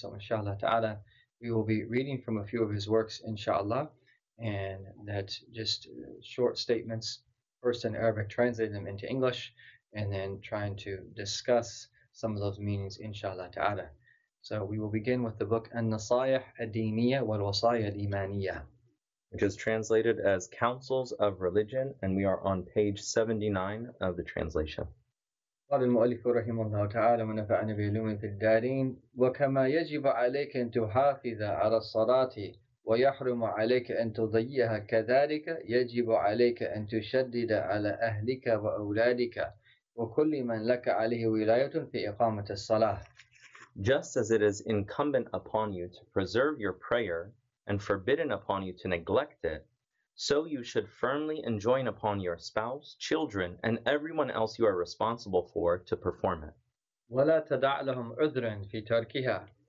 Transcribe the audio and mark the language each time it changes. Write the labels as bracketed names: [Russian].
[English] So inshallah ta'ala, we will be reading from a few of his works inshallah, and that just short statements, first in Arabic, translate them into English, and then trying to discuss some of those meanings inshallah ta'ala. So we will begin with the book An-Nasayih Ad-Diniyah Wal-Wasayih Al-Imaniyah, which is translated as Counsels of Religion, and we are on page 79 of the translation. [Arabic] قال المؤلف رحمه الله تعالى ونفعنا بعلوم في الدارين وكما يجب عليك أن تحافظ على الصلاة ويحرم عليك أن تضيعها كذلك يجب عليك أن تشدد على أهلك وأولادك وكل من لك عليه ولاية في إقامة الصلاة. [English] Just as it is incumbent upon you to preserve your prayer and forbidden upon you to neglect it, so you should firmly enjoin upon your spouse, children, and everyone else you are responsible for to perform it. [Arabic] وَلَا تَدَعْ لَهُمْ عُذْرًا فِي تَرْكِهَا.